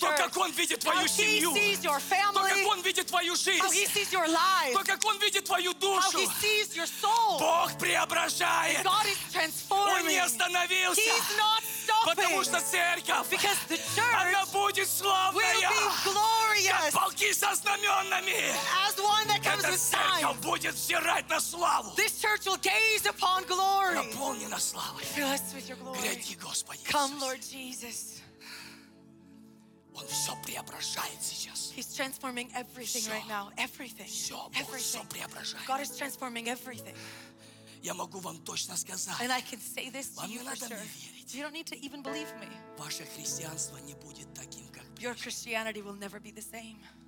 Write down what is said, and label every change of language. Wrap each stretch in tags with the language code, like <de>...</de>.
<ru>То, как он видит твою семью.</ru> <en>How he sees your family.</en> <ru>То, как он видит твою жизнь.</ru> <en>How he sees your life.</en> <ru>То, как он видит твою душу.</ru> <en>How he sees your soul.</en> <ru>Бог преображает.</ru> <en>And God is transforming.</en> <ru>Он не остановился.</ru> <en>He's not stopping.</en> <ru>Потому что церковь.</ru> <en>Because the church.</en> <ru>Она будет славная.</ru> <en>Will be glorious.</en> <ru>Как полки со знаменами.</ru> <en>As one that comes with signs.</en> <ru>Церковь будет взирать на славу.</ru> <en>This church will gaze upon glory.</en> <ru>Наполнена славой.</ru> <en>Fill us with your glory.</en> <ru>Гряди, Господи.</ru> <en>Come, Lord Jesus.</en> <ru>Он все преображает сейчас.</ru> <en>He's transforming everything right now. Everything.</en> <ru>Все преображает.</ru> <en>God is transforming everything.</en> <ru>Я могу вам точно сказать.</ru> <en>And I can say this to you for sure.</en> <ru>Верить.</ru> <en>You don't need to even believe me.</en> <ru>Ваше христианство не будет таким, как прежде.</ru> <en>Your Christianity will never be the same.</en>